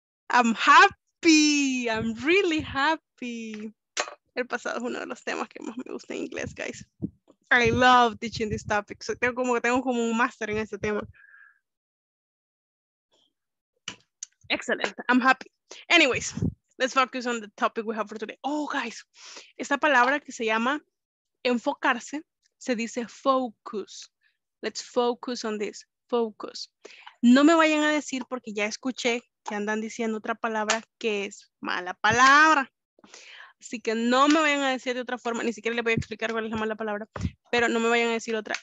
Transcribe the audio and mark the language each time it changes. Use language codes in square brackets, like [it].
[en] I'm happy. I'm really happy. [es] El pasado es uno de los temas que más me gusta en inglés, guys. [en] I love teaching this topic. [es] So tengo como un máster en este tema. [en] Excellent. I'm happy. Anyways, let's focus on the topic we have for today. [es] Oh, guys, esta palabra que se llama enfocarse se dice focus. [en] Let's focus on this. Focus. [es] No me vayan a decir, porque ya escuché que andan diciendo otra palabra que es mala palabra. Así que no me vayan a decir de otra forma, ni siquiera les voy a explicar cuál es la mala palabra, pero no me vayan a decir otra.